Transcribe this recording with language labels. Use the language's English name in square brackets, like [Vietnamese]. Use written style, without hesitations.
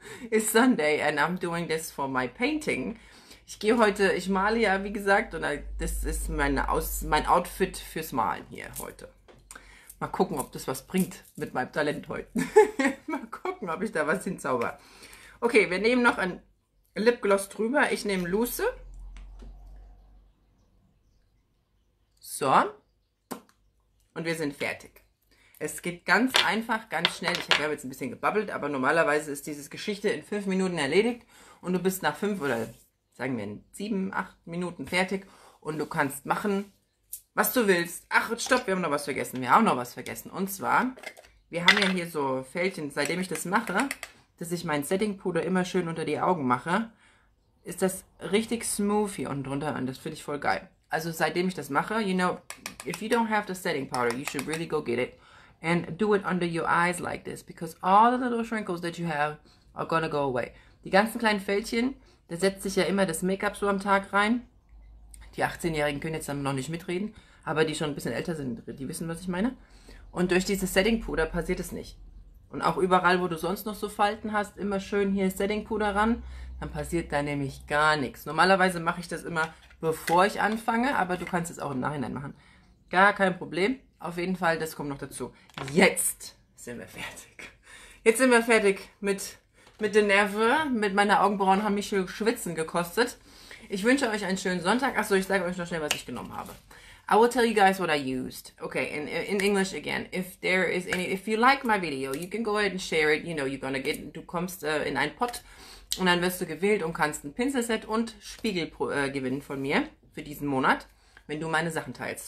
[English] It's Sunday and I'm doing this for my painting. [German] Ich gehe heute, ich male ja, wie gesagt, und das ist mein Outfit fürs Malen hier heute. Mal gucken, ob das was bringt mit meinem Talent heute. Mal gucken, ob ich da was hinzauber. Okay, wir nehmen noch ein Lipgloss drüber. Ich nehme Luce. So. Und wir sind fertig. Es geht ganz einfach, ganz schnell. Ich habe jetzt ein bisschen gebabbelt, aber normalerweise ist diese Geschichte in 5 Minuten erledigt und du bist nach 5 oder sagen wir in 7, 8 Minuten fertig und du kannst machen, was du willst. Ach, stopp, wir haben noch was vergessen. Wir haben noch was vergessen. Und zwar, wir haben ja hier so Fältchen. Seitdem ich das mache, dass ich mein Setting-Puder immer schön unter die Augen mache, ist das richtig smooth hier unten drunter. Und das finde ich voll geil. Also seitdem ich das mache, [English] you know, if you don't have the setting powder, you should really go get it and do it under your eyes like this, because all the little wrinkles that you have are gonna go away. [German] Die ganzen kleinen Fältchen, da setzt sich ja immer das Make-up so am Tag rein. Die 18-Jährigen können jetzt dann noch nicht mitreden, aber die schon ein bisschen älter sind, die wissen, was ich meine. Und durch dieses Setting-Puder passiert es nicht. Und auch überall, wo du sonst noch so Falten hast, immer schön hier Setting-Puder ran, dann passiert da nämlich gar nichts. Normalerweise mache ich das immer, bevor ich anfange, aber du kannst es auch im Nachhinein machen. Gar kein Problem. Auf jeden Fall, das kommt noch dazu. Jetzt sind wir fertig. Jetzt sind wir fertig mit den Nerven. Mit meinen Augenbrauen haben mich hier Schwitzen gekostet. Ich wünsche euch einen schönen Sonntag. Achso, ich sage euch noch schnell, was ich genommen habe. [English] I will tell you guys what I used. Okay, in English again. If there is any, if you like my video, you can go ahead and share it. You know, you're gonna get, [German] du kommst in einen Pott und dann wirst du gewählt und kannst ein Pinselset und Spiegel gewinnen von mir für diesen Monat, wenn du meine Sachen teilst.